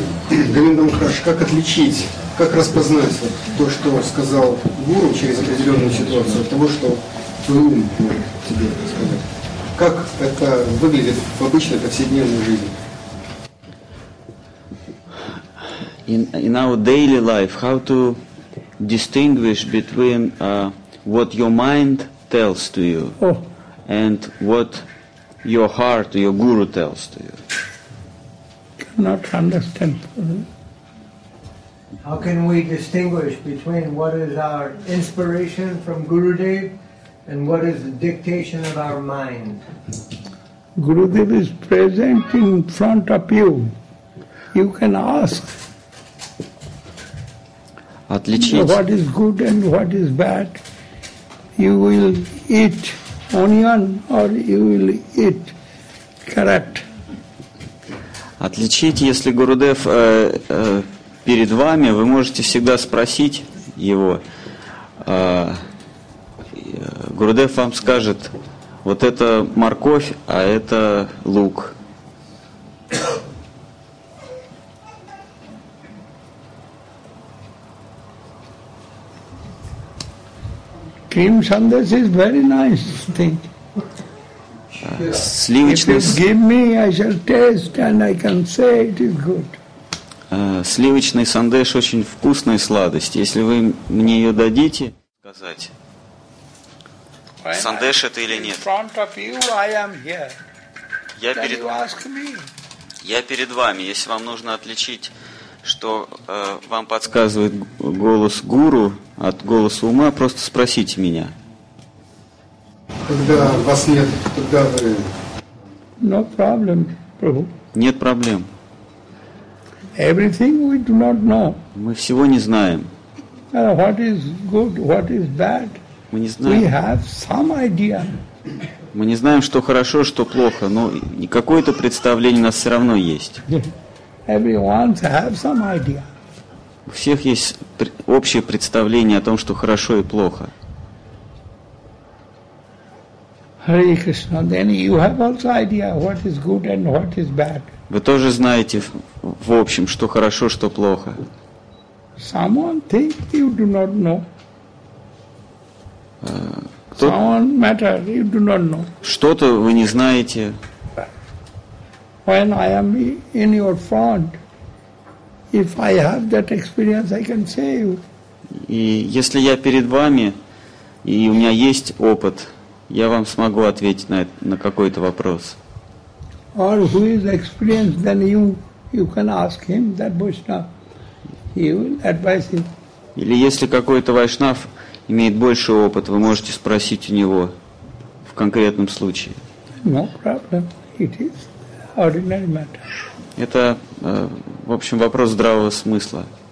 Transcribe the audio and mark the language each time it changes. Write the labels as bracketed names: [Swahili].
[Russian] Гавинда Махарадж, как отличить, как распознать то, что сказал гуру через определенную ситуацию, от того, что твой ум может тебе сказать? Как это выглядит в обычной повседневной жизни? [English] In our daily life, how to distinguish between what your mind tells to you and what your heart, your guru tells to you? Cannot understand. How can we distinguish between what is our inspiration from Gurudev and what is the dictation of our mind? Gurudev is present in front of you. You can ask. [Russian] Отличить. [English] What is good and what is bad? You will eat onion or you will eat carrot. [Russian] Отличить, если Гурудев перед вами, вы можете всегда спросить его. Гурудев вам скажет, вот это морковь, а это лук. [English] Cream sandesh is very nice thing. [Russian] Сливочный. [English] If you give me, I shall taste and I can say it is good. [Russian] Сливочный сандеш очень вкусная сладость. Если вы мне ее дадите, сказать. Сандеш это или нет? [English] In front of you, I am here. [Russian] Я перед. [English] You ask me. [Russian] Я перед вами. Если вам нужно отличить, что вам подсказывает голос гуру от голоса ума, просто спросите меня. Когда вас нет, тогда вы... [English] No problem, Prabhu. [Russian] Нет проблем. [English] Everything we do not know. [Russian] Мы всего не знаем. [English] What is good, what is bad? [Russian] Мы не знаем. [English] We have some idea. [Russian] Мы не знаем, что хорошо, что плохо, но какое-то представление у нас все равно есть. [English] Everyone have some idea. [Russian] У всех есть общее представление о том, что хорошо и плохо. [English] Hare Krishna, then you have also idea what is good and what is bad. [Russian] Вы тоже знаете в общем, что хорошо, что плохо. [English] Someone think you do not know. Someone matter you do not know. [Russian] Что-то вы не знаете. [English] When I am in your front, if I have that experience, I can say you. [Russian] И если я перед вами и у меня есть опыт, я вам смогу ответить на какой-то вопрос. [English] Or who is experienced, then you can ask him that Vaishnav. He will advise him. [Russian] Или если какой-то вайшнав имеет больше опыт, вы можете спросить у него в конкретном случае. [English] No problem. It is. Ordinary matter. [Russian] Это, в общем, вопрос здравого смысла.